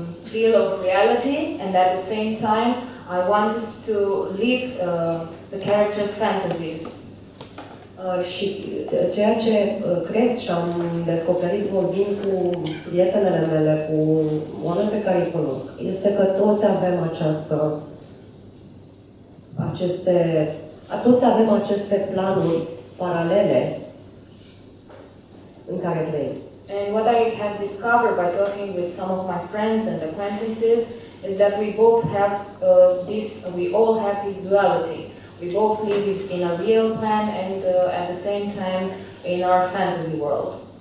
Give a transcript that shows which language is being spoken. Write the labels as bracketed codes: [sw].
[en] feel of reality, and at the same time, I wanted to live the character's fantasies. [ro] Și ceea ce cred și am descoperit vorbind cu prietenele mele, cu oameni pe care îi cunosc, este că toți avem această, aceste, toți avem aceste planuri paralele în care trăim. [en] And what I have discovered by talking with some of my friends and acquaintances is that we both have this, we all have this duality. We both live in a real plan and at the same time in our fantasy world.